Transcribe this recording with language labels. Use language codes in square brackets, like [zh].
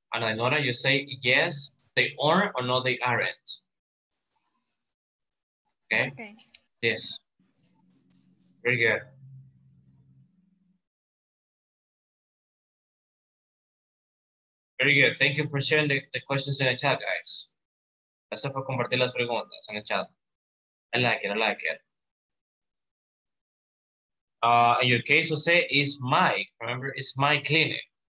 [en] And I know that you say yes, they are or no, they aren't. Okay. Yes. Very good. Very good. Thank you for sharing the questions in the chat, guys. [es] Gracias por compartir las preguntas en el chat. [en] I like it. In your case, you say, is Mike, remember, it's my cleaning.